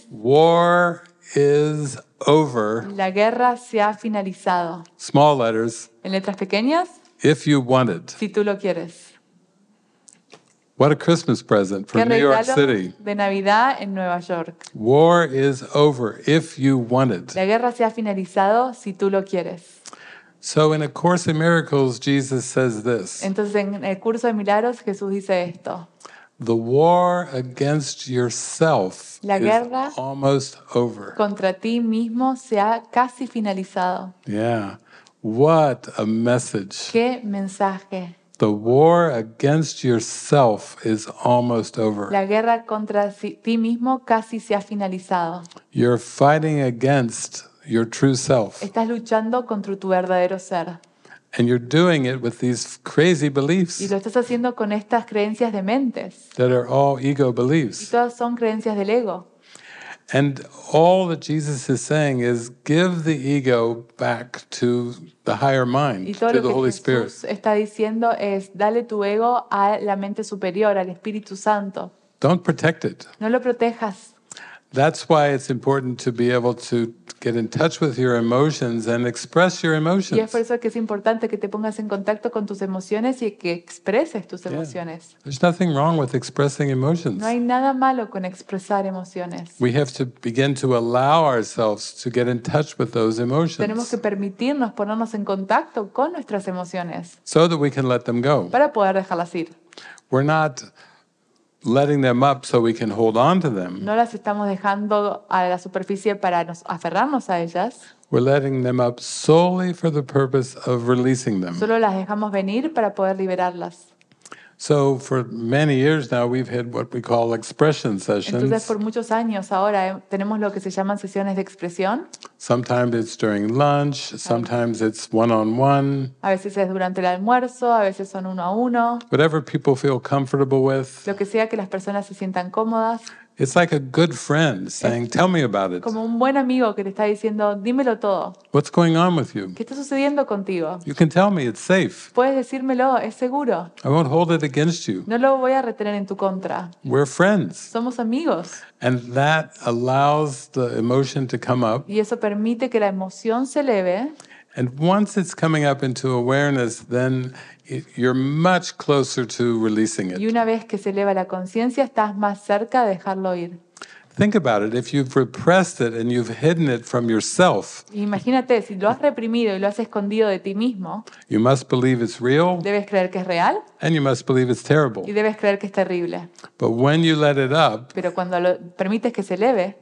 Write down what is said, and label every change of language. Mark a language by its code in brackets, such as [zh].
[en] War is over. [es] La guerra se ha finalizado. [en] Small letters. [es] En letras pequeñas. [en] If you want it. [es] Si tú lo quieres. [en] What a Christmas present from New York City. [es] Qué regalo de Navidad en Nueva York. [en] War is over if you want it. [es] La guerra se ha finalizado si tú lo quieres. [en] So in A Course in Miracles, Jesus says this. [es] Entonces en el curso de milagros Jesús dice esto. [en] The war against yourself is almost over. [es] Contra ti mismo se ha casi finalizado. [en] Yeah. What a message. [es] Qué mensaje. [en] The war against yourself is almost over. [es] La guerra contra ti mismo casi se ha finalizado. [en] You're fighting against your true self. [es] Estás luchando contra tu verdadero ser. [en] And you're doing it with these crazy beliefs. [es] Y lo estás haciendo con estas creencias de mentes. [en] That are all ego beliefs. [es] Y todas son creencias del ego. [en] And all that Jesus is saying is give the ego back to the higher mind, [es] y todo [en] to [es] lo [en] the Holy [es] Jesús [en] Spirit. [es] Está diciendo es dale tu ego a la mente superior, al Espíritu Santo. [en] Don't protect it. [es] No lo protejas. [en] That's why it's important to be able to get in touch with your emotions and express your emotions. [es] Y es por eso que es importante que te pongas en contacto con tus emociones y que expreses tus emociones. [en] Yeah. There's nothing wrong with expressing emotions. [es] No hay nada malo con expresar emociones. [en] We have to begin to allow ourselves to get in touch with those emotions. [es] Tenemos que permitirnos ponernos en contacto con nuestras emociones. [en] So that we can let them go. [es] Para poder dejarlas ir. [en] We're not letting them up so we can hold on to them. [es] No las estamos dejando a la superficie para nos aferrarnos a ellas. [en] We're letting them up solely for the purpose of releasing them. [es] Solo las dejamos venir para poder liberarlas. [en] So for many years now we've had what we call expression sessions. [es] Entonces por muchos años ahora tenemos lo que se llaman sesiones de expresión. [en] Sometimes it's during lunch, sometimes it's one-on-one. [es] A veces es durante el almuerzo, a veces son uno a uno. [en] Whatever people feel comfortable with. [es] Lo que sea que las personas se sientan cómodas. [en] It's like a good friend saying, "Tell me about it." [es] Como un buen amigo que te está diciendo, dímelo todo. [en] What's going on with you? [es] ¿Qué está sucediendo contigo? [en] You can tell me, it's safe. [es] Puedes decírmelo, es seguro. [en] I won't hold it against you. [es] No lo voy a retener en tu contra. [en] We're friends. [es] Somos amigos. [en] And that allows the emotion to come up. [es] Y eso permite que la emoción se eleve. [en] And once it's coming up into awareness, then you're much closer to releasing it. [es] Y una vez que se eleva la conciencia, estás más cerca de dejarlo ir. [en] Think about it. If you've repressed it and you've hidden it from yourself, [es] imagínate si lo has reprimido y lo has escondido de ti mismo. [en] You must believe it's real. [es] Debes creer que es real. [en] And you must believe it's terrible. [es] Y debes creer que es terrible. [en] But when you let it up, [es] pero cuando lo permites que se eleve,